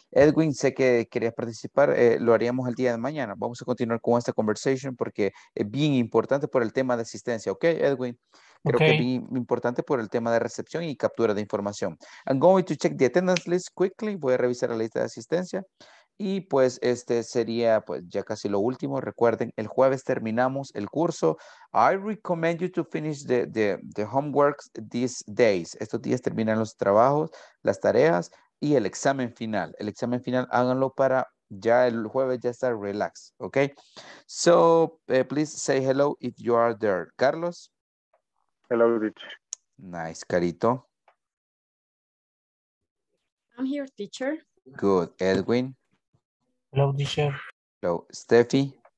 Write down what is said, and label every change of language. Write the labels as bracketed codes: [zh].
[es] Edwin, sé que querías participar, lo haríamos el día de mañana, vamos a continuar con esta conversation porque es bien importante por el tema de asistencia, ok, Edwin, creo okay. Que es bien importante por el tema de recepción y captura de información. [en] I'm going to check the attendance list quickly, [es] voy a revisar la lista de asistencia. Y pues este sería pues ya casi lo último. Recuerden, el jueves terminamos el curso. [en] I recommend you to finish the homeworks these days. [es] Estos días terminan los trabajos, las tareas y el examen final. El examen final háganlo para ya el jueves ya estar relax, ¿ok? [en] So, please say hello if you are there. Carlos. Hello, Rich. Nice, carito. I'm here, teacher. Good, Edwin. Hello, teacher. Hello, Steffi.